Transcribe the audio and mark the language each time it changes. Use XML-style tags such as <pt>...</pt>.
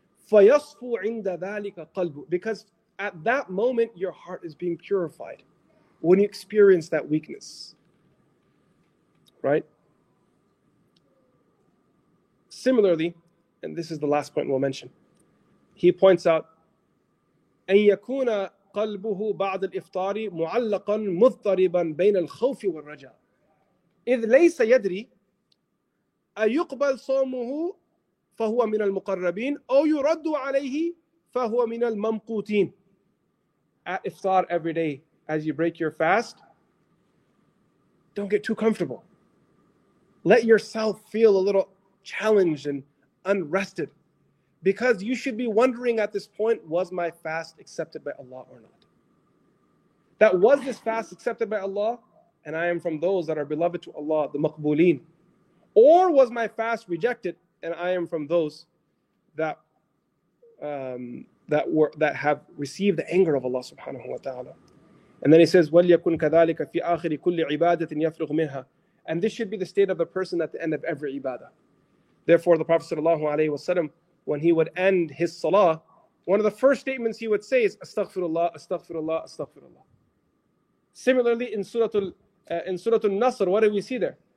<ar>فَيَصْفُ عِنْدَ ذَلِكَ قَلْبُ.</ar> <en>Because at that moment, your heart is being purified. When you experience that weakness. Right? Similarly, and this is the last point we'll mention. He points out,</en> <ar>أن يكون قلبه بعد الإفطار معلقا مضطربا بين الخوف والرجاء إذ ليس يدري أيقبل صومه فهو من المقربين أو يرد عليه فهو من الممقوتين.</ar> <en>At iftar every day, as you break your fast, don't get too comfortable. Let yourself feel a little challenged and unrested. Because you should be wondering at this point, was my fast accepted by Allah or not? That was this fast accepted by Allah, and I am from those that are beloved to Allah, the maqbuleen. Or was my fast rejected, and I am from those that have received the anger of Allah subhanahu wa ta'ala. And then he says,</en> <ar>وَلْيَكُنْ كَذَلِكَ فِي آخِرِ كُلِّ عِبَادَةٍ يَفْرُغْ مِنْهَا.</ar> <en>And this should be the state of the person at the end of every ibadah. Therefore, the Prophet sallallahu alayhi wa sallam, when he would end his salah, one of the first statements he would say is, Astaghfirullah, Astaghfirullah, Astaghfirullah. Similarly, in Surah Al-Nasr, what do we see there?</en>